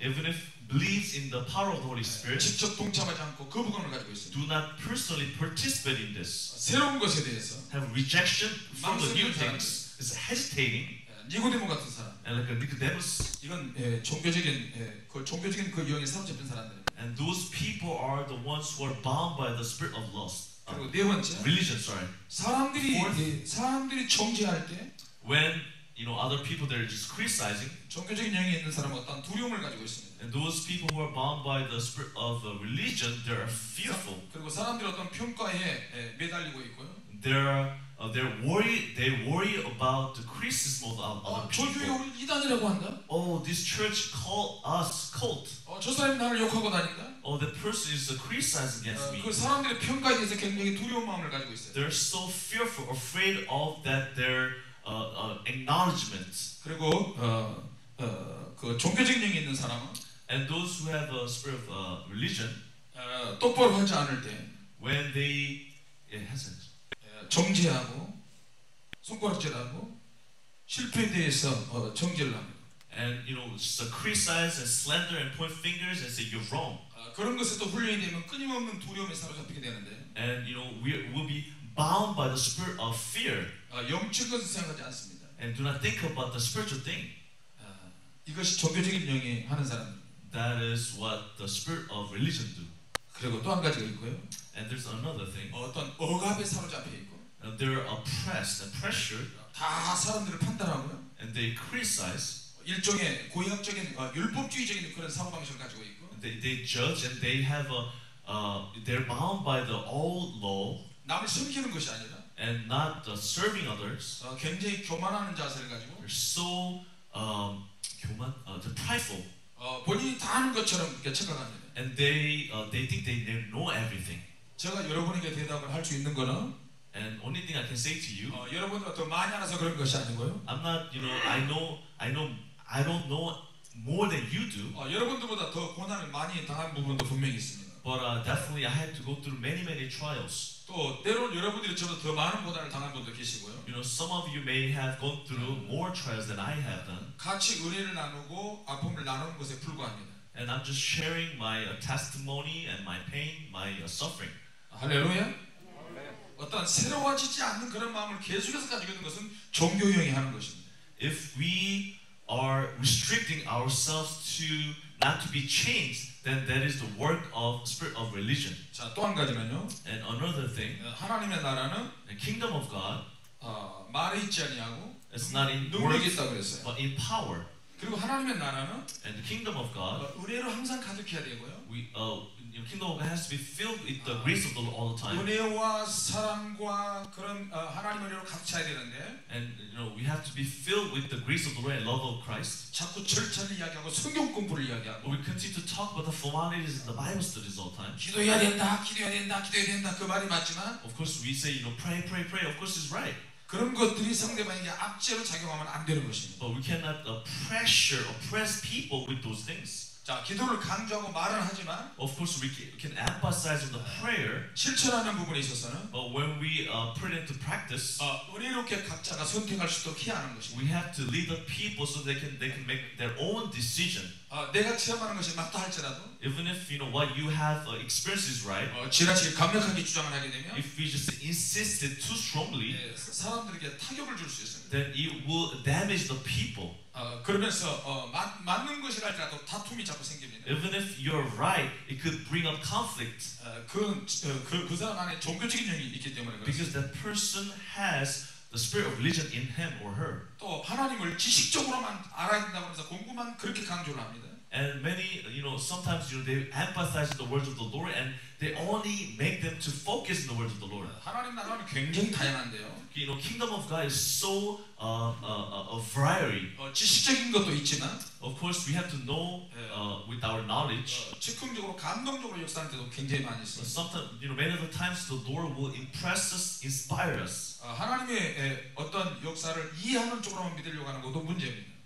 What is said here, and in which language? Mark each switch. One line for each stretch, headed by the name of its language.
English: even if believes in the power of the Holy Spirit.
Korean: 직접 동참하지 않고 거부감을 가지고 있어요.
English: Do not personally participate in this.
Korean: 새로운 것에 대해서.
English: Have rejection from the new things. Is hesitating.
Korean: 니고데모 같은 사람.
English: And like a Nicodemus.
Korean: 이건 예, 종교적인 예, 그 종교적인 그 유형에 사로잡힌 사람들.
English: And those people are the ones who are bound by the spirit of lust.
Korean: 그리고 네 번째,
English: religion, sorry.
Korean: 사람들이
English: Fourth,
Korean: 예, 사람들이 정죄할 때,
English: when you know other people they're just criticizing,
Korean: 종교적인 영이 있는 사람은 어떤 두려움을 가지고 있습니다.
English: And those people who are bound by the spirit of the religion, they're fearful.
Korean: 그리고 사람들이 어떤 평가에 예, 매달리고 있고요.
English: They're worried. They worry about the criticism of other people.
Korean: 저 교회 우리 이단이라고 한다.
English: Oh, this church call us cult.
Korean: 저 사람이 나를 욕하고 다닌다.
English: Oh, the person is criticizing against me.
Korean: 그 사람들의 평가에 대해서 굉장히 두려운 마음을 가지고 있어요.
English: They're so fearful, afraid of that their acknowledgement.
Korean: 그리고 그 종교적인 영이 있는 사람은,
English: and those who have a spirit of religion,
Korean: 똑바로 하지 않을 때,
English: when they it hasn't.
Korean: 정죄하고 손가락질하고 실패에 대해서 정죄를 합니다.
English: And you know, so criticize and slander and point fingers and say you're wrong.
Korean: 그런 것에도 훈련이 되면 끊임없는 두려움에 사로잡히게 되는데.
English: And you know, we will be bound by the spirit of fear.
Korean: 영적인 것을 생각하지 않습니다.
English: And do not think about the spiritual thing.
Korean: 이것이 종교적인 영이 하는 사람.
English: That is what the spirit of religion do.
Korean: 그리고 또 한 가지가 있고요.
English: And there's another thing.
Korean: 어떤 억압에 사로잡혀 있고.
English: They're oppressed and pressured.
Korean: 다 사람들을 판단하고요.
English: And they criticize.
Korean: 일종의 고의학적인 율법주의적인 그런 사고 방식을 가지고 있고.
English: They judge and they have a they're bound by the old law.
Korean: 남을 섬기는 것이 아니라.
English: And not serving others.
Korean: 굉장히 교만하는 자세를 가지고.
English: They're so
Korean: 교만.
English: They're prideful.
Korean: 본인이 다 아는 것처럼 착각하는.
English: And they think they know everything.
Korean: 제가 여러분에게 대답을 할 수 있는 거는,
English: and only thing I can say to you,
Korean: 여러분들 더 많이 알아서 그런 것이 아니고요.
English: I'm not, you know, I don't know more than you do.
Korean: 여러분들보다 더 고난을 많이 당한 부분도 분명히 있습니다.
English: But definitely, I had to go through many, many trials.
Korean: 또 때로는 여러분들이 저보다 더 많은 고난을 당한 분도 계시고요.
English: You know, some of you may have gone through more trials than I have done.
Korean: 같이 은혜를 나누고 아픔을 나누는 것에 불과합니다.
English: And I'm just sharing my testimony and my pain, my suffering.
Korean: 할렐루야. 어떤 새로워지지 않는 그런 마음을 계속해서 가지고 있는 것은 종교형이 하는 것입니다.
English: If we are restricting ourselves to not to be changed, then that is the work of spirit of religion.
Korean: 자, 또 한 가지면요.
English: And another thing,
Korean: 하나님의 나라는
English: the kingdom of God,
Korean: 말에 있지 아니하고
English: it's not in words, but in power.
Korean: 그리고 하나님의 나라는
English: and the kingdom of God,
Korean: 은혜로 항상 가득해야 되고요.
English: We, your kingdom of God has to be filled with the grace of the Lord all the time.
Korean: 은혜와 사랑과 그런 하나님의 은혜로 가득 차야 되는데.
English: And you know, we have to be filled with the grace of the Lord and love of Christ.
Korean: 자꾸 절차를 이야기하고 성경 공부를 이야기하고.
English: We continue to talk about the formalities and the Bible studies all the time.
Korean: 기도해야 된다, 기도해야 된다, 기도해야 된다. 그 말이 맞지만.
English: Of course, we say, you know, pray, pray, pray. Of course, it's right.
Korean: 그런 것들이 상대방에게 압제로 작용하면 안 되는 것입니다.
English: But we cannot pressure, oppress people with those things.
Korean: 자, 기도를 강조하고 말은 하지만,
English: of course we can emphasize on the prayer.
Korean: 실천하는 부분에 있어서는,
English: but when we put into practice,
Korean: 의리롭게 각자가 선택할 수 있도록 키하는 것입니다.
English: We have to lead the people so they can make their own decisions. decision.
Korean: 내가 체험하는 것이 맞다 할지라도.
English: Even if you know what you have experienced is right.
Korean: 지나치게 강력하게 주장을 하게 되면.
English: If we just insisted too strongly.
Korean: 사람들에게 타격을 줄 수 있습니다.
English: Then it will damage the people.
Korean: 그러면서 맞는 것이랄지라도 다툼이 자꾸 생깁니다.
English: Even if you're right, it could bring up conflict.
Korean: 그 사람 안에 종교적인 영이 있기 때문에 그렇죠.
English: Because that person has the spirit of religion in him or her.
Korean: 또 하나님을 지식적으로만 알아야 된다고 해서 공부만 그렇게 강조를 합니다.
English: And many, you know, sometimes you know, they emphasize the words of the Lord, and they only make them to focus on the words of the Lord.
Korean: 하나님 나라는 굉장히 다양한데요.
English: You know, kingdom of God is so a variety.
Korean: 지식적인 것도 있지만,
English: of course, we have to know with our knowledge.
Korean: 즉흥적으로 감동적으로 역사할 때도 굉장히 많이 있어요.
English: Sometimes, you know, many of the times the Lord will impress us, inspire us.
Korean: 하나님의 어떤 역사를 이해하는 쪽으로만 믿으려고 하는 것도 문제입니다.